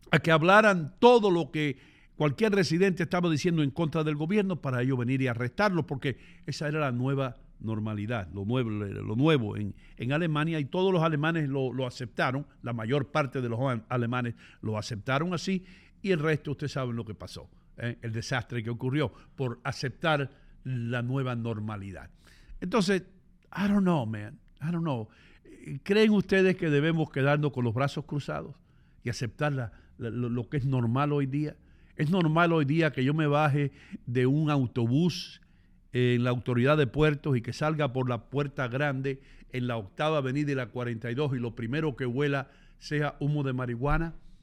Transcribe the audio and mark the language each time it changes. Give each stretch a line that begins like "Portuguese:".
Spanish: hablaran todo lo que cualquier residente estaba diciendo en contra del gobierno para ellos venir y arrestarlo, porque esa era la nueva normalidad, lo nuevo en Alemania, y todos los alemanes lo aceptaron, la mayor parte de los alemanes lo aceptaron así, y el resto, ustedes saben lo que pasó, el desastre que ocurrió por aceptar la nueva normalidad.
English: Entonces, I don't know, man, I don't know.
Spanish: ¿Creen ustedes que debemos quedarnos con los brazos cruzados y aceptar lo que es normal hoy día? ¿Es normal hoy día que yo me baje de un autobús en la autoridad de puertos y que salga por la puerta grande en la octava avenida y la 42 y lo primero que huela sea humo de marihuana?